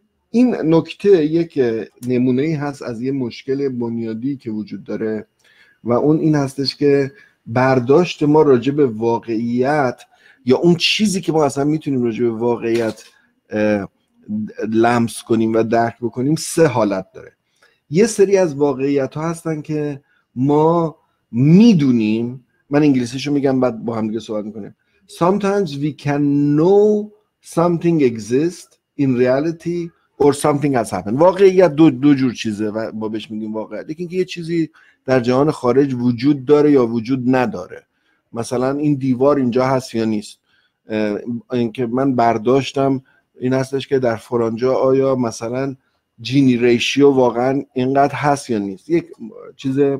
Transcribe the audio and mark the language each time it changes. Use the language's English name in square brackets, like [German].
[Persian] این نکته یک نمونه ای هست از یه مشکل بنیادی که وجود داره و اون این هستش که برداشت ما راجع به واقعیت یا اون چیزی که ما اصلا میتونیم راجع به واقعیت لمس کنیم و درک بکنیم سه حالت داره. یه سری از واقعیت ها هستن که ما میدونیم، من انگلیسیشو میگم بعد با هم دیگه صحبت میکنیم. [English] Sometimes we can know something exists in reality or something has happened. [Persian] واقعیت دو جور چیزه و ما بهش میگیم واقعیت. یکی اینکه یه چیزی در جهان خارج وجود داره یا وجود نداره، مثلا این دیوار اینجا هست یا نیست. اینکه من برداشتم این هستش که در فرانجا آیا مثلا جینی ریشیو واقعا اینقدر هست یا نیست، یک چیز